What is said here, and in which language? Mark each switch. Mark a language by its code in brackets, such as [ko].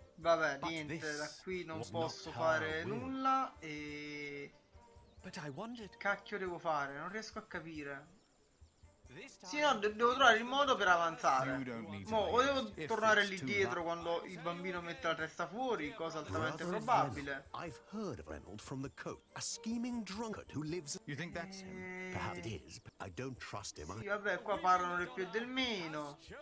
[it] Vabbè, niente, da qui non posso fare nulla e [en] But I wondered. [it] Cacchio devo fare? Non riesco a capire. Sì, no, devo trovare il modo per avanzare. Mo, o devo tornare lì dietro quando il bambino mette la testa fuori, cosa altamente probabile. [en] I've heard of Reynolds from the coat, a scheming drunkard who lives. You think that's him? Perhaps it is, but I don't trust him. [it] Sì, vabbè, qua parlano del più e del meno.